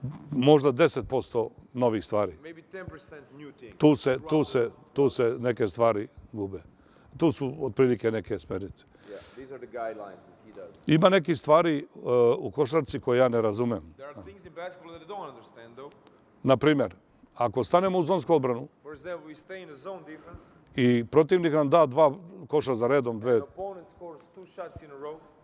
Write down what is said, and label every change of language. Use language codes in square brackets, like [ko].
[hr] Možda 10% novih stvari. [en] Maybe 10% new things. [hr] Tu se neke stvari gube. Tu su otprilike neke smernice. [en] Yeah, these are the guidelines that he does. [hr] Ima neki stvari u košarci koje ja ne razumem. [en] There are things in basketball that I don't understand though. [hr] Na primjer, ako stanemo u zonsku obranu. [en] For example, we stay in a zone defense. [hr] I protivnik nam da dva koša za redom, dve. [en] And opponent scores two shots in a row.